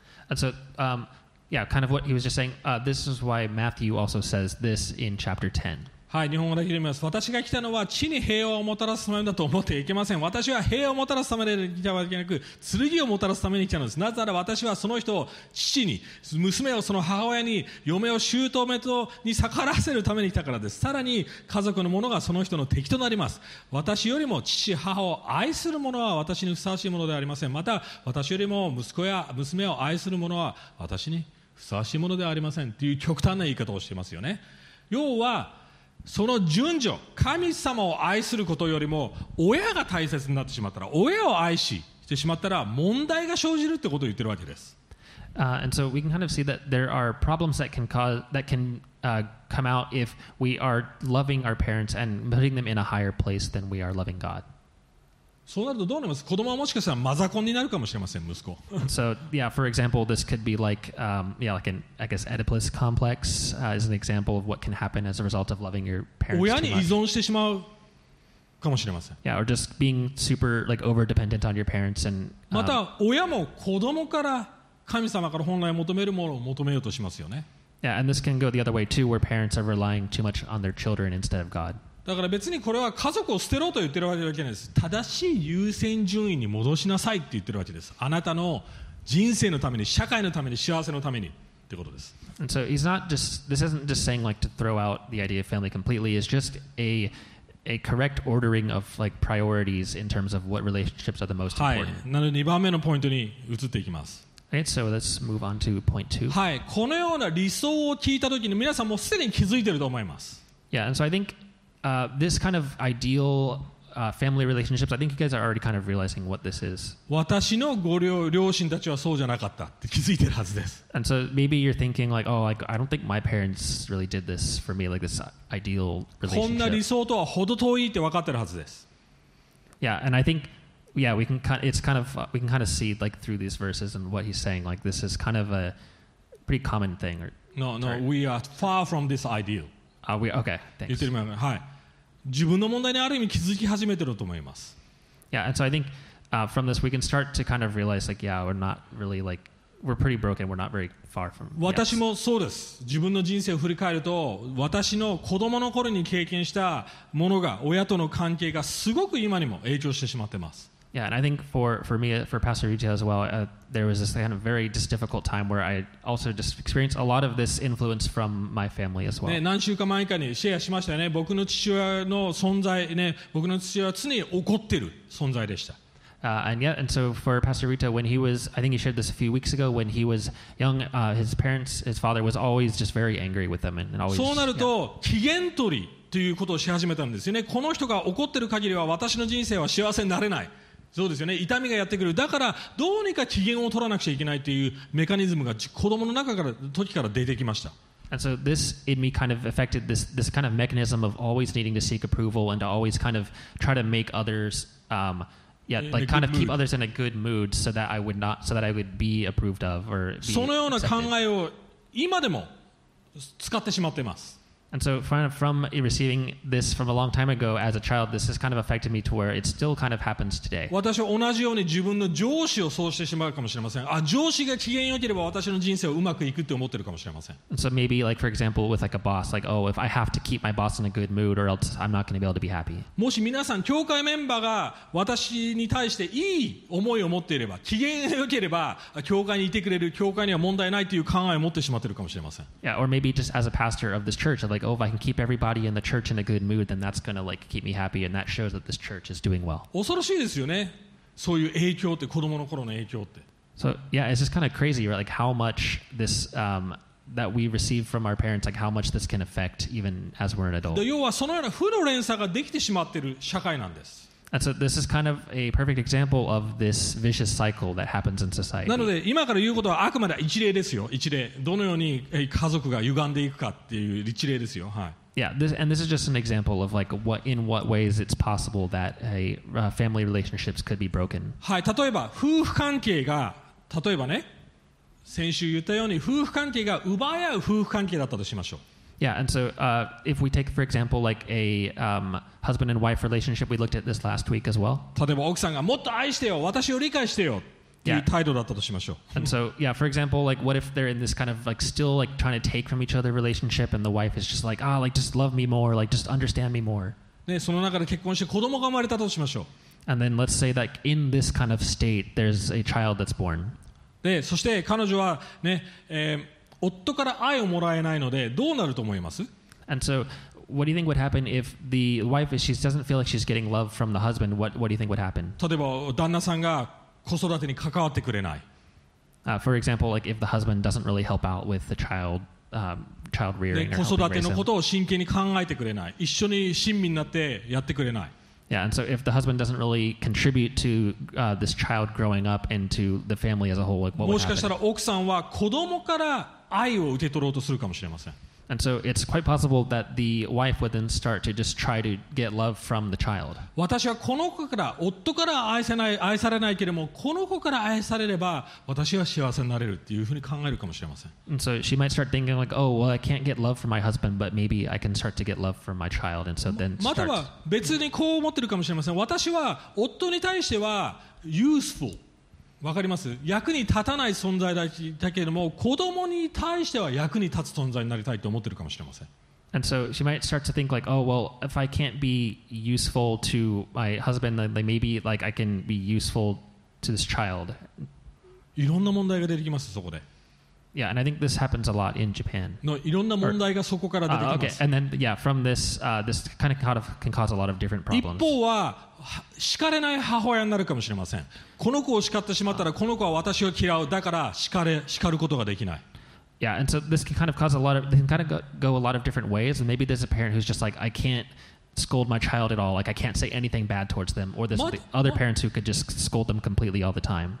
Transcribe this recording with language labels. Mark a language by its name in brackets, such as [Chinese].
[English] And so, yeah, kind of what he was just saying, this is why Matthew also says this in chapter 10. [Japanese] はい、日本語だけで見ます。私が来たのは地に平和をもたらすためだと思っていけません。私は平和をもたらすためで来たわけなく、剣をもたらすために来たのです。なぜなら私はその人を父に、娘をその母親に、嫁を姑に逆らわせるために来たからです。さらに家族の者がその人の敵となります。私よりも父、母を愛する者は私にふさわしいものではありません。また私よりも息子や娘を愛する者は私にふさわしいものではありません。という極端な言い方をしていますよね。要は、その順序、神様を愛することよりも親が大切になってしまったら、親を愛してしまったら問題が生じるってことを言ってるわけです。 [English] And so we can kind of see that there are problems that can cause that can come out if we are loving our parents and putting them in a higher place than we are loving God. [Japanese] そうなるとどうなります？子供はもしかしたらマザコンになるかもしれません、息子。 [English] And so yeah, for example, this could be like, yeah, like an, I guess, Oedipus complex, is an example of what can happen as a result of loving your parents. [Japanese] 親に依存してしまうかもしれません。 [English] Yeah, or just being super like over dependent on your parents and. [Japanese] また親も子供から神様から本来求めるものを求めようとしますよね。 [English] Yeah, and this can go the other way too, where parents are relying too much on their children instead of God. [Japanese] だから別にこれは家族を捨てろと言ってるわけじゃないです。正しい優先順位に戻しなさいって言ってるわけです。あなたの人生のために、社会のために、幸せのためにってことです。 [English] And so he's not just, this isn't just saying like to throw out the idea of family completely. It's just a correct ordering of like priorities in terms of what relationships are the most important. [Japanese] はい。なので2番目のポイントに移っていきます。 [English] Right, so let's move on to point two. [Japanese] はい。このような理想を聞いたときに皆さんもうすでに気づいてると思います。 [English] Yeah, and so I thinkthis kind of ideal family relationships, I think you guys are already kind of realizing what this is. [Japanese] 私のご両親たちはそうじゃなかったって気づいてるはずです。 [English] And so maybe you're thinking like, oh, like, I don't think my parents really did this for me, like this ideal relationship. [Japanese] こんな理想とは程遠いって分かってるはずです。 [English] Yeah, and I think, yeah, we can kind of, it's kind of, we can kind of see like through these verses and what he's saying, like this is kind of a pretty common thing. Or, no, no, or, we are far from this ideal. We, okay, thanks. [Japanese] 言ってみます。はい。自分の問題にある意味気づき始めてると思います。 [English] Yeah, and so I think, from this we can start to kind of realize like, yeah, we're not really like, we're pretty broken, we're not very far from. [Japanese] 私もそうです。自分の人生を振り返ると、私の子供の頃に経験したものが、親との関係がすごく今にも影響してしまってます。 [English] Yeah, and I think for me, for Pastor Rita as well, there was this kind of very just difficult time where I also just experienced a lot of this influence from my family as well. [Japanese] 何週間前かにシェアしましたよね。僕の父親の存在ね、僕の父親は常に怒ってる存在でした。 [English] And yeah, and so for Pastor Rita, when he was, I think he shared this a few weeks ago, when he was young, his parents, his father was always just very angry with them and always. [Japanese] そうなると、yeah. 機嫌取りということをし始めたんですよね。この人が怒ってる限りは私の人生は幸せになれない。そうですよね。痛みがやってくる。だからどうにか機嫌を取らなくちゃいけないというメカニズムが子供の中から時から出てきました。 [English] And so this in me kind of affected this kind of mechanism of always needing to seek approval and to always kind of try to make others, like kind of keep others in a good mood so that I would not, so that I would be approved of or be accepted. [Japanese] そのような考えを今でも使ってしまっています。 [English] And so from receiving this from a long time ago as a child, this has kind of affected me to where it still kind of happens today. [Japanese] 私は同じように自分の上司をそうしてしまうかもしれません。あ、上司が機嫌良ければ私の人生はうまくいくって思ってるかもしれません。 [English] And so maybe like for example with like a boss, like oh if I have to keep my boss in a good mood or else I'm not going to be able to be happy. [Japanese] もし皆さん教会メンバーが私に対していい思いを持っていれば、機嫌良ければ教会にいてくれる、教会には問題ないという考えを持ってしまってるかもしれません。 [English] Yeah, or maybe just as a pastor of this church, like, oh, if I can keep everybody in the church in a good mood, then that's going to like keep me happy, and that shows that this church is doing well. [Japanese] 恐ろしいですよね。そういう影響って、子供の頃の影響って。 [English] So yeah, it's just kind of crazy, right? Like how much this that we receive from our parents, like how much this can affect even as we're an adult. [Japanese] 要はそのような負の連鎖ができてしまってる社会なんです。 [English] And so this is kind of a perfect example of this vicious cycle that happens in society. [Japanese] なので今から言うことはあくまで一例ですよ。一例。どのように家族が歪んでいくかっていう一例ですよ。はい。 [English] Yeah, this is just an example of like what in what ways it's possible that a family relationships could be broken. [Japanese] はい。例えば夫婦関係が、例えばね、先週言ったように夫婦関係が奪い合う夫婦関係だったとしましょう。 [English] Yeah, and so if we take, for example, like a husband and wife relationship, we looked at this last week as well. [Japanese] 例えば奥さんがもっと愛してよ、私を理解してよっていう態度だったとしましょう。 [English] And so, yeah, for example, like what if they're in this kind of like still like trying to take from each other relationship and the wife is just like, ah, like just love me more, like just understand me more. [Japanese] ね、その中で結婚して子供が生まれたとしましょう。 [English] And then let's say that in this kind of state, there's a child that's born. [Japanese] で、そして彼女はね、夫から愛をもらえないのでどうなると思います？ [English] And so, what do you think would happen if the wife, if she doesn't feel like she's getting love from the husband, what do you think would happen? [Japanese] 例えば旦那さんが子育てに関わってくれない。 [English] For example, like if the husband doesn't really help out with the child, child rearing or helping raise [Japanese] him. 子育てのことを真剣に考えてくれない。一緒に親身になってやってくれない。 [English] Yeah, and so if the husband doesn't really contribute to this child growing up and to the family as a whole, like what would happen? [Japanese] もしかしたら奥さんは子供から愛を受け取ろうとするかもしれません。 [English] And so it's quite possible that the wife would then start to just try to get love from the child. [Japanese] 私はこの子から、夫から愛されないけれども、この子から愛されれば、私は幸せになれるっていうふうに考えるかもしれません。 [English] And so she might start thinking like, oh, well, I can't get love from my husband, but maybe I can start to get love from my child. And so then [Japanese] または別にこう思ってるかもしれません。私は夫に対しては useful。わかります。役に立たない存在だけれども、子供に対しては役に立つ存在になりたいと思ってるかもしれません。 [English] And so she might start to think like, oh well, if I can't be useful to my husband, then maybe like I can be useful to this child. [Japanese] いろんな問題が出てきますそこで。 [English] Yeah, and I think this happens a lot in Japan. [Japanese] No, いろんな問題がそこから出てきます。 [English] Okay, and then yeah, from this, this kind of can cause a lot of different problems. [Japanese] 一方は叱れない母親になるかもしれません。この子を叱ってしまったらこの子は私を嫌う。だから叱ることができない。 [English] Yeah, and so this can kind of cause a lot of, can kind of go a lot of different ways. And maybe there's a parent who's just like, I can't scold my child at all. Like I can't say anything bad towards them. Or there's the other parents who could just scold them completely all the time.